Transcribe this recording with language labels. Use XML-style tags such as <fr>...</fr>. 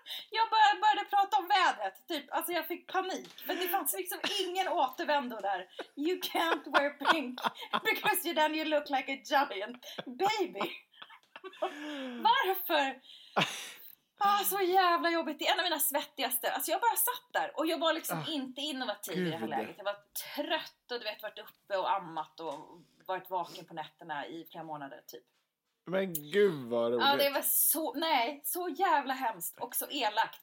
<sv>Jag började prata om vädret. Typ. Alltså jag fick panik. Men det fanns liksom ingen återvändo där.</sv> <en>You can't wear pink. Because then you look like a giant baby.</en> <sv>Varför? Ah, så jävla jobbigt. Det är en av mina svettigaste. Alltså jag bara satt där. Och jag var liksom inte innovativ i det här läget. Jag var trött och du vet, varit uppe och ammat. Och varit vaken på nätterna i flera månader typ. Men gud vad roligt. Ja, det var så, nej, så jävla hemskt och så elakt.</sv>